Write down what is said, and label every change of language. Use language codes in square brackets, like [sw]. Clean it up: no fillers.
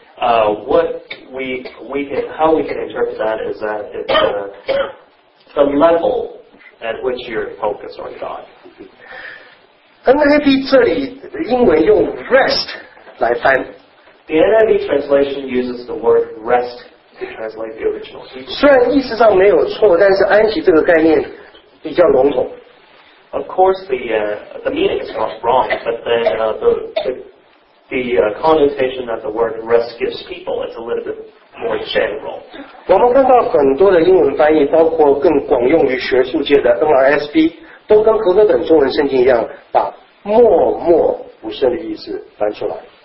[en] How we can interpret that is that it's the level at which you're focused on God. [zh] NIV 这里英文用 rest 来翻。 [en] The NIV translation uses the word rest to translate the original. [zh] 虽然意思上没有错，但是安息这个概念比较笼统。 [en] Of course, the meaning is not wrong, but then the connotation that the word rest gives people is a little bit more general. [zh] 我们看到很多的英文翻译，包括更广用于学术界的 NRSV， 都跟和合本中文圣经一样，把默默无声的意思翻出来。